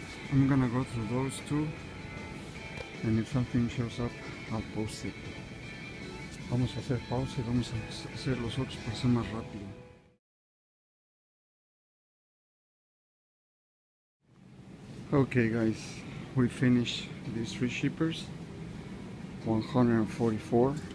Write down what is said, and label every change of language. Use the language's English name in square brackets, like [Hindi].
[English] I'm gonna go through those two, and if something shows up, I'll post it. [Spanish] Vamos a hacer pausa y vamos a hacer los otros para ser más rápido. [English] Okay, guys, we finished these three shippers, 144.